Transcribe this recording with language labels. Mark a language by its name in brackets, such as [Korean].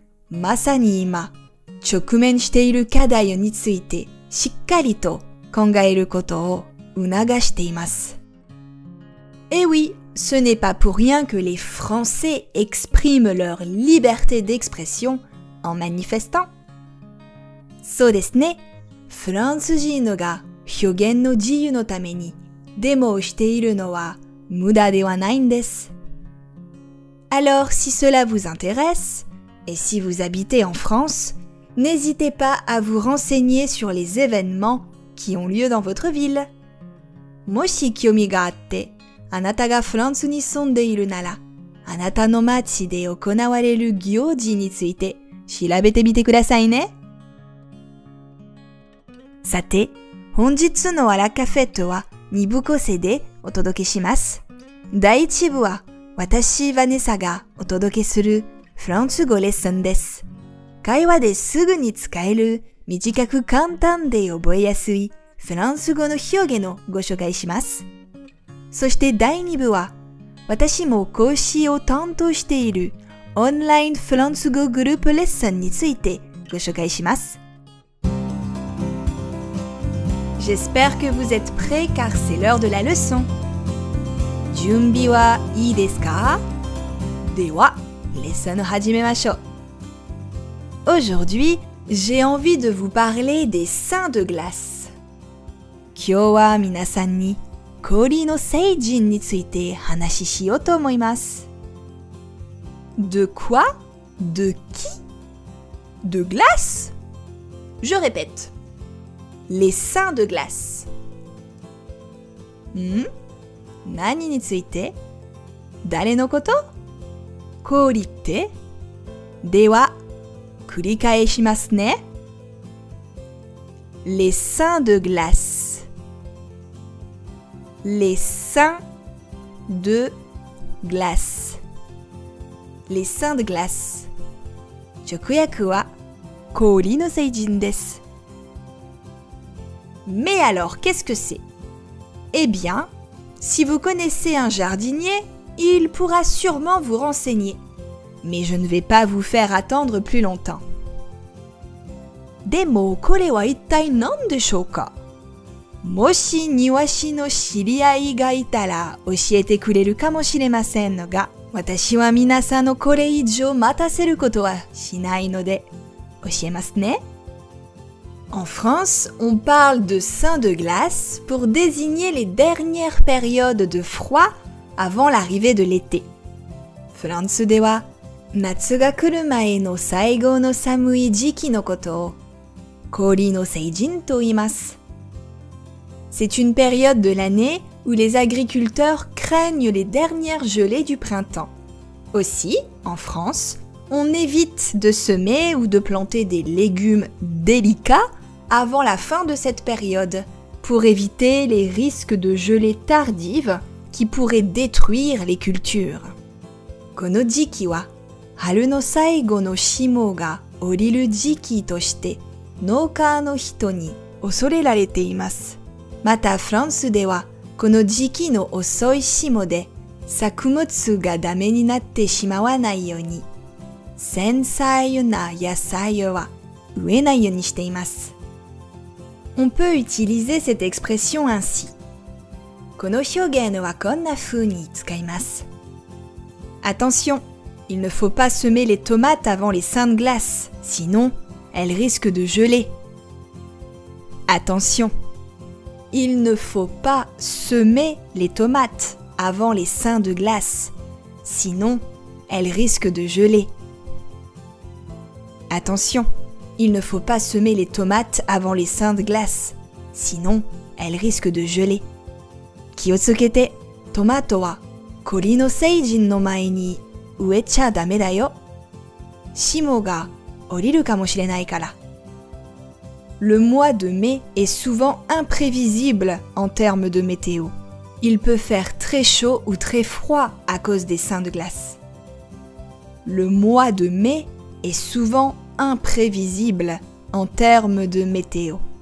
[Japanese] まさに今、直面している課題についてしっかりと考えることを促しています。 [French] Eh oui, ce n'est pas pour rien que les Français expriment leur liberté d'expression en manifestant. [Japanese] そうですね。フランス人が表現の自由のためにデモをしているのは無駄ではないんです。 [French] Alors, si cela vous intéresse, et si vous habitez en France, n'hésitez pas à vous renseigner sur les événements qui ont lieu dans votre ville. [Japanese] もし興味があって、あなたがフランスに住んでいるなら、あなたの町で行われる行事について調べてみてくださいね。さて、本日のアラカフェットは2部構成でお届けします。第1部は、私、ヴァネサがお届けするフランス語レッスンです。会話ですぐに使える短く簡単で覚えやすいフランス語の表現をご紹介します。そして第2部は、私も講師を担当しているオンラインフランス語グループレッスンについてご紹介します。 [French] J'espère que vous êtes prêts car c'est l'heure de la leçon. [Japanese] 準備はいいですか? では、レッスンを始めましょう。 [French] Aujourd'hui, j'ai envie de vous parler des saints de glace. [Japanese] 今日は皆さんに氷の聖人について話ししようと思います。 [French] De quoi? De qui? De glace? Je répète. Les saints de glace. [Japanese] Nani nitsuite? Dare no koto? Kori tte? Dewa, kurikaeshimasu ne? [French] Les saints de glace. Les saints de glace. Les saints de glace. [Japanese] Chokuyaku wa kori no seijin desu. [French] Mais alors, qu'est-ce que c'est? Eh bien, si vous connaissez un jardinier, il pourra sûrement vous renseigner. Mais je ne vais pas vous faire attendre plus longtemps. [Japanese] でも、これは一体何でしょうか?もし庭師の知り合いがいたら教えてくれるかもしれませんが、私は皆さんのこれ以上待たせることはしないので、教えますね。 [French] En France, on parle de saints de glace pour désigner les dernières périodes de froid avant l'arrivée de l'été. [Japanese] フランスでは、夏が来る前の最後の寒い時期のことを、氷の聖人と言います。 [French] C'est une période de l'année où les agriculteurs craignent les dernières gelées du printemps. Aussi, en France, on évite de semer ou de planter des légumes délicats avant la fin de cette période, pour éviter les risques de gelée tardive qui pourraient détruire les cultures. [Japanese] この時期は、春の最後の霜が降りる時期として、農家の人に恐れられています。また、フランスでは、この時期の遅い霜で、作物がダメになってしまわないように、繊細な野菜は植えないようにしています。 [French] On peut utiliser cette expression ainsi. [Japanese] この表現はこんな風に使います。 [French] Attention, il ne faut pas semer les tomates avant les saints de glace, sinon elles risquent de geler. Attention, il ne faut pas semer les tomates avant les saints de glace, sinon elles risquent de geler. Attention. Il ne faut pas semer les tomates avant les saints de glace, sinon elles risquent de geler. [Japanese] 気をつけて、トマトは氷の聖人の前に植えちゃダメだよ。霜が降りるかもしれないから。 [French] Le mois de mai est souvent imprévisible en termes de météo. Il peut faire très chaud ou très froid à cause des saints de glace. Le mois de mai est souventimprévisible en termes de météo.